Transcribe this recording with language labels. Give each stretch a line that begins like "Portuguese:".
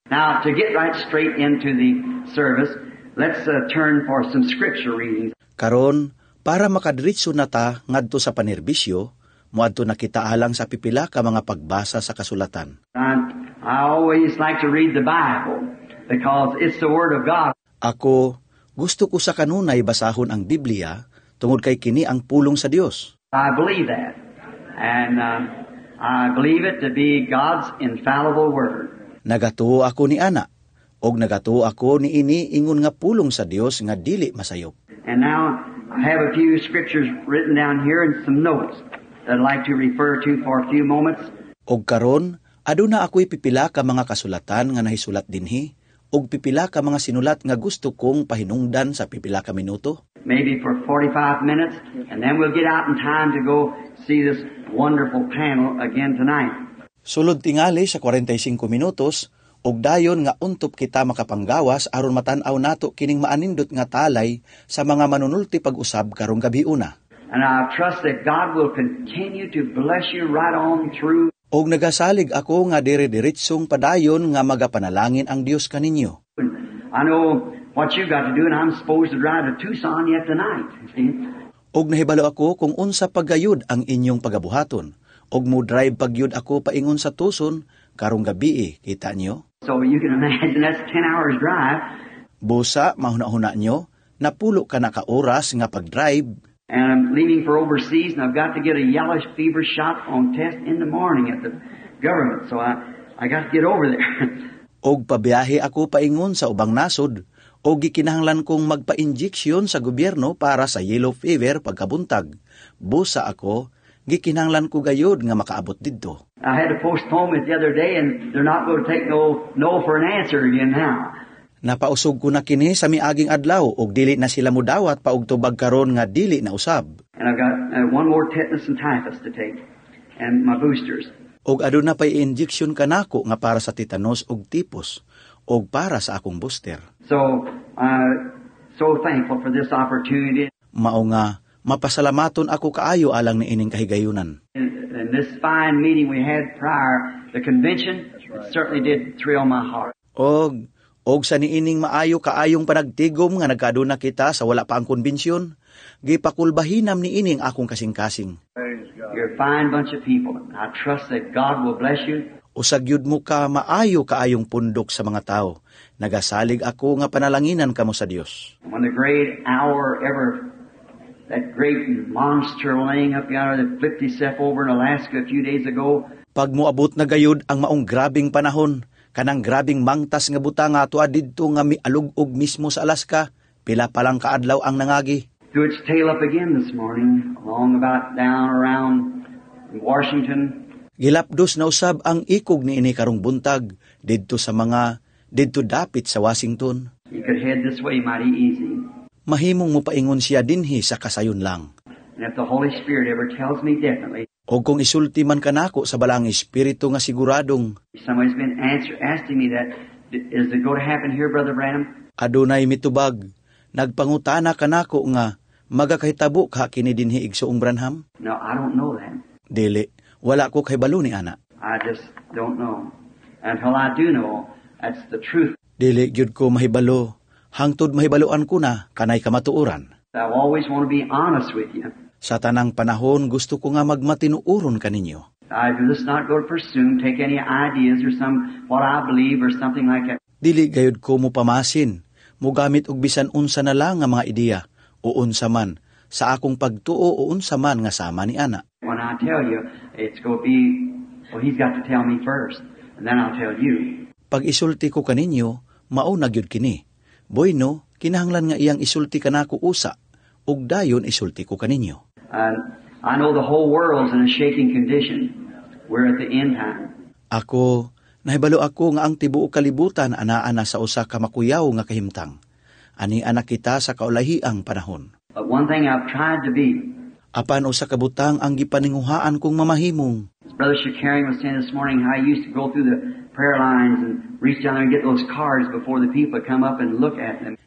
English: Now, to get right straight into the service, let's turn for some scripture readings.
Cebuano: Karon, para makadritso na ta ngadto sa panerbisyo, muadto na kita alang sa pipila ka mga pagbasa sa kasulatan.
English: I always like to read the Bible because it's the Word of God.
Cebuano: Ako, gusto ko sa kanunay basahon ang Biblia tungod kay kini ang pulong sa Dios.
English: I believe that. And I believe it to be God's infallible word.
Cebuano: Nagatuo ako ni ana og nagatuo ako ni ini ingon nga pulong sa Dios nga dili masayop.
English: And now I have a few scriptures written down here and some notes that I'd like to refer to for a few moments.
Cebuano: Og karon aduna ako'y pipila ka mga kasulatan nga nahisulat dinhi. Og pipila ka mga sinulat nga gusto kong pahinungdan sa pipila ka minuto.
English: Maybe for 45 minutes and then we'll get out in time to go see this wonderful panel again tonight.
Cebuano: Sulod tingali sa 45 minutos og dayon nga untop kita makapanggawas aron matan-aw nato kining maanindot nga talay sa mga manunulti pag-usab karong gabi una.
English: And I trust that God will continue to bless you right on through.
Cebuano: Og nagasalig ako nga dire-diretsong padayon nga magapanalangin ang Dios kaninyo.
English: I know what you got to do and I'm supposed to drive to Tucson yet tonight.
Cebuano: Og nahibalo ako kung unsa pagayud ang inyong pagabuhaton. Og mo drive pagyud ako paingon sa Tucson karong gabi, kita nyo.
English: So you can imagine that's 10 hours drive.
Cebuano: Busa, mahuna-huna nyo, napulo ka na ka-oras nga pag-drive.
English: And I'm leaving for overseas and I've got to get a yellowish fever shot on test in the morning at the government. So I got to get over there.
Cebuano: Og pabiyahe ako paingon sa ubang nasod. Og gikinahanglan kong magpa-injection sa gobyerno para sa yellow fever pagkabuntag. Busa ako, gikinahanglan ko gayod nga makaabot didto.
English: I had to postpone it the other day and they're not going to take no for an answer again now.
Cebuano: Napausog ko na kini sa miaging adlaw og dili na sila mudawat pa og tubag karon nga dili na usab.
English: And I've got one more tetanus and typhus to take and my boosters.
Cebuano: Og aduna pay injection kanako nga para sa tetanus og typhus og para sa akong booster.
English: So thankful for this opportunity.
Cebuano: Mao nga mapasalamaton ako kaayo alang na ining kahigayunan.
English: And this fine meeting we had prior, the convention, right, certainly did thrill my heart.
Cebuano: Og sa niining maayo kaayong panagtigom nga nagkaduna kita sa wala pa ang konbensyon, gipakulbahinam niining akong kasing-kasing.
English: You're a fine bunch of people. I trust that God will bless you.
Cebuano: Usagyud mo ka maayo kaayong pundok sa mga tao. Nagasalig ako nga panalanginan kamo sa Dios.
English: When the great hour ever, that great monster laying up yonder that flipped itself over in Alaska a few days ago.
Cebuano: Pag muabot na gayud ang maong grabing panahon, kanang grabing mangtas nga buta nga atoa didto nga mialugog mismo sa Alaska, pila pa lang kaadlaw ang nangagi.
English: Threw its tail up again this morning, along about down around Washington.
Cebuano: Gilapdos na usab ang ikog ni ini karong buntag didto sa mga didto dapit sa Washington.
English: You could head this way mighty easy.
Cebuano: Mahimong mo paingon siya dinhi sa kasayon lang.
English: And if the Holy Spirit ever tells me definitely,
Cebuano: o kung isulti man ka nako sa balang espiritu nga siguradong,
English: somebody's been asking me that, is it going to happen here, Brother Branham?
Cebuano: Adunay mitubag, nagpangutana ka nako nga, magakahitabo ka kini dinhi igsoong Branham?
English: No, I don't know that.
Cebuano: Dili, wala ko kay baluni ana.
English: I just don't know. Until I do know, that's the truth.
Cebuano: Dili, gyud ko mahibalo. Hangtod mahibaloan ko na, kanay kamatuuran.
English: I always want to be honest with you.
Cebuano: Sa tanang panahon, gusto ko nga magmatinuuron kaninyo.
English: I just not go to presume, take any ideas or some what I believe or something like that.
Cebuano: Dili gayud ko mo pamasin, mugamit og bisan unsa na lang nga mga ideya, o unsa man, sa akong pagtuo o unsa man nga sama ni ana.
English: When I tell you, it's going to be, well, he's got to tell me first, and then I'll tell you.
Cebuano: Pag isulti ko kaninyo, mauna gyud kini. Bueno, kinahanglan nga iyang isulti kanako usa. Ug dayon isulti ko kaninyo.
English: I know the whole world's in a shaking condition. We're at the end time.
Cebuano: Ako, nahibalo ako nga ang tibuok kalibutan anaana sa usa ka makuyaw nga kahimtang. Ani anak kita sa kaulahiang panahon.
English: But one thing I've tried to be.
Cebuano: Apan usa ka butang ang gipaninguhaan kong mamahimong.
English: Brother Shakarian was saying this morning how he used to go through the prayer lines and reach down there and get those cards before the people come up and look at them.